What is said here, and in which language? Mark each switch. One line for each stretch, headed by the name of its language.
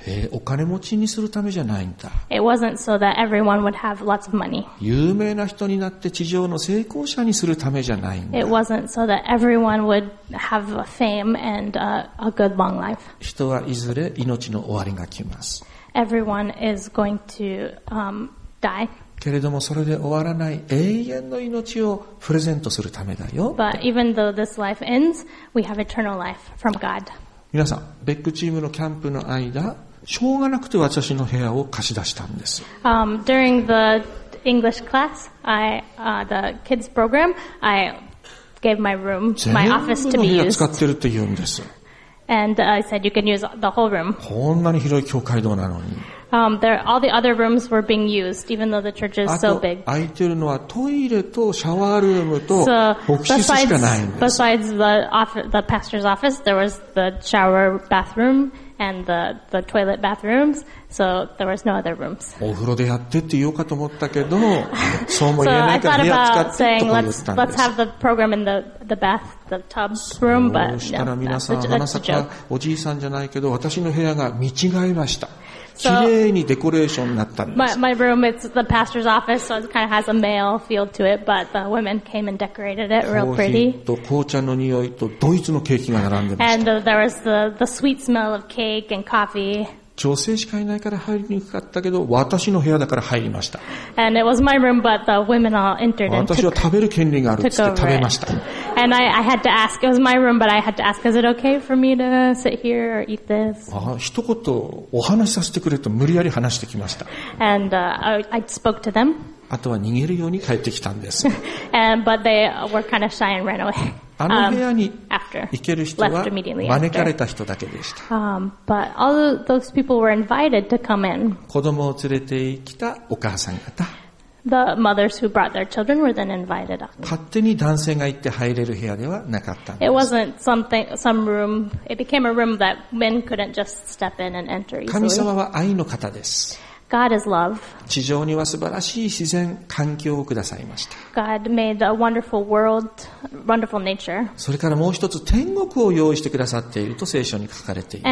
Japanese: お金持ちにするためじゃないんだ。
English: It wasn't so that everyone would have lots of money.
Japanese: 有名な人になって地上の成功者にするためじゃないんだ。
English: It wasn't so that everyone would have fame and a good long life.
Japanese: 人はいずれ命の終わりが来ます。
English: Everyone is going to die.
Japanese: けれどもそれで終わらない永遠の命をプレゼントするためだよ。
English: But even though this life ends, we have eternal life from God.
Japanese: 皆さん、ベックチームのキャンプの間、しょうがなくて私の部屋を貸し出したんです。
English: During the English class, the kids program, I gave my room, my office to be used.
Japanese: 全部の部屋使ってるって言うんです。
English: And I said you can use the whole room.
Japanese: こんなに広い教会堂なのに。
English: All the other rooms were being used, even though the church is so big.
Japanese: 空いてるのはトイレとシャワールームと牧師室しかないんです。
English: Besides the pastor's office, there was the shower bathroom and the toilet bathrooms, so there was no other rooms.
Japanese: お風呂でやってって言おうかと思ったけど、そうも言えないから部屋使ってとか言ったんです。
English: Let's have the program in the bath, the tub room, but
Japanese: そうしたら皆さん、まさかおじいさんじゃないけど、私の部屋が見違えました。綺麗にデコレーションになったんです。
English: My room, it's the pastor's office, so it kind of has a male feel to it, but the women came and decorated it real pretty.
Japanese: コーヒーと紅茶の匂いとドイツのケーキが並んでました。
English: And there was the sweet smell of cake and coffee.
Japanese: 女性しかいないから入りにくかったけど、私の部屋だから入りました。
English: And it was my room, but the women all entered and
Japanese: 私は食べる権利があるって食べました。
English: And I had to ask, it was my room, but I had to ask, is it okay for me to sit here or eat this?
Japanese: 一言お話しさせてくれと無理やり話してきました。
English: And I spoke to them.
Japanese: あとは逃げるように帰ってきたんです。
English: But they were kind of shy and ran away.
Japanese: あの部屋に行ける人は招かれた人だけでした。
English: But all those people were invited to come in.
Japanese: 子供を連れてきたお母さん方。
English: The mothers who brought their children were then invited up.
Japanese: 勝手に男性が行って入れる部屋ではなかったんです。
English: It wasn't some room. It became a room that men couldn't just step in and enter easily.
Japanese: 神様は愛の方です。
English: God is love.
Japanese: 地上には素晴らしい自然環境をくださいました。
English: God made a wonderful world, wonderful nature.
Japanese: それからもう一つ天国を用意してくださっていると聖書に書かれています。